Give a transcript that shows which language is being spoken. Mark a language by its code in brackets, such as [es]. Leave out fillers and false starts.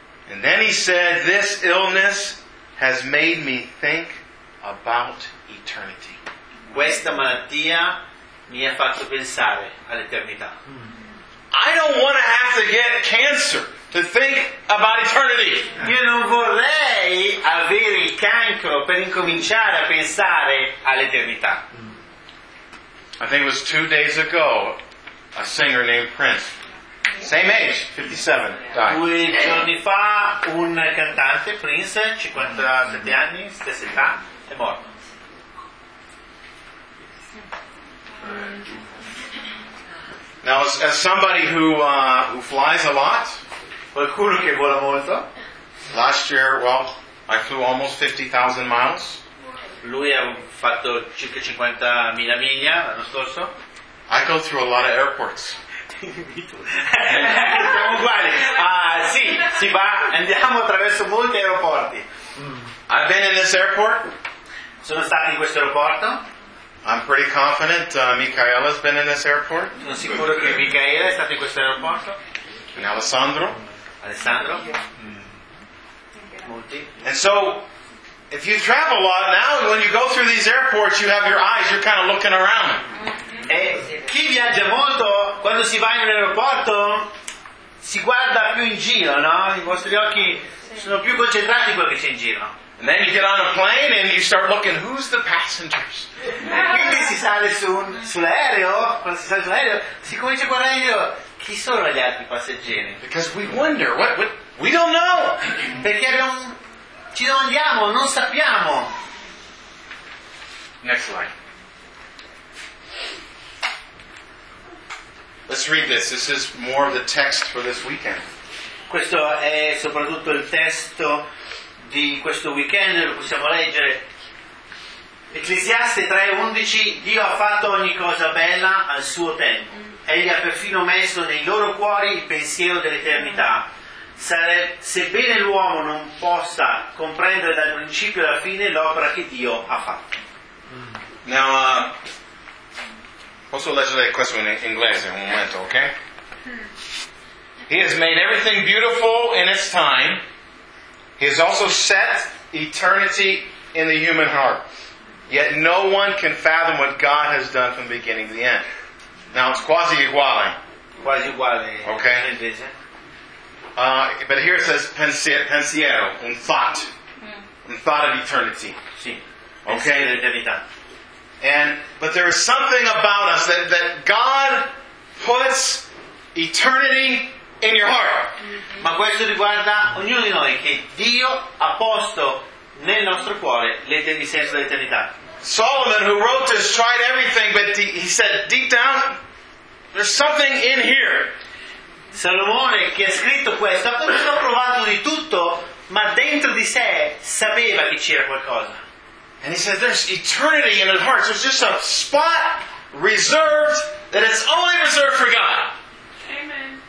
[en] And then he said, this illness has made me think about eternity. [it] Questa malattia mi ha fatto pensare all'eternità. [en] I don't want to have to get cancer to think about eternity. [it] Io non vorrei avere il cancro per incominciare a pensare all'eternità. [en] I think it was 2 days ago, a singer named Prince, same age, 57, died. [it] 2 giorni fa, un cantante, Prince, 57 anni, stessa età, è morto. [en] Now, as somebody who flies a lot, [it] qualcuno che vola molto. [en] Last year, well, I flew almost 50,000 miles. [it] Lui ha fatto circa 50,000 miglia l'anno scorso. [en] I go through a lot of airports. [it] Siamo uguali. Ah, sì, si va, andiamo attraverso molti aeroporti. [en] I've been in this airport. [it] Sono stato in questo aeroporto. [en] I'm pretty confident Micaela's been in this airport. [it] Sono sicuro che Micaela è stata in questo aeroporto. [en] And Alessandro. [it] Alessandro. Molti. [en] And so, if you travel a lot now, when you go through these airports, you have your eyes, you're kind of looking around. [it] E chi viaggia molto, quando si va in un aeroporto, si guarda più in giro, no? I vostri occhi sono più concentrati quello che c'è in giro. [en] And then you get on a plane and you start looking, who's the passengers? [it] E quindi si sale sull'aereo, quando si sale sull'aereo, si comincia a guardare io, chi sono gli altri passeggeri? [en] Because we wonder, what we don't know. [it] Perché ci domandiamo, non sappiamo. [en] Next slide. Let's read this. This is more of the text for this weekend. [it] Questo è soprattutto il testo di questo weekend, lo possiamo leggere. Ecclesiaste 3:11, Dio ha fatto ogni cosa bella al suo tempo. Egli ha perfino messo nei loro cuori il pensiero dell'eternità. Sebbene l'uomo non possa comprendere dal principio alla fine l'opera che Dio ha fatto. Now, posso leggere questo in inglese un momento, ok? [en] He has made everything beautiful in its time. He has also set eternity in the human heart. Yet no one can fathom what God has done from beginning to the end. Now it's [it] quasi uguale. Quasi uguale. [en] Okay. But here it says pensiero, un thought. Un thought of eternity. [it] Sì. Okay. Pensiero d'eternità. [en] But there is something about us that God puts eternity in your heart. [it] Ma questo riguarda ognuno di noi, che Dio ha posto nel nostro cuore il senso dell'eternità. [en] Solomon, who wrote this, tried everything, but he said, deep down, there's something in here. [it] Salomone, che ha scritto questo, ha provato di tutto, ma dentro di sé sapeva che c'era qualcosa. [en] And he said, there's eternity in his heart. There's just a spot reserved that it's only reserved for God.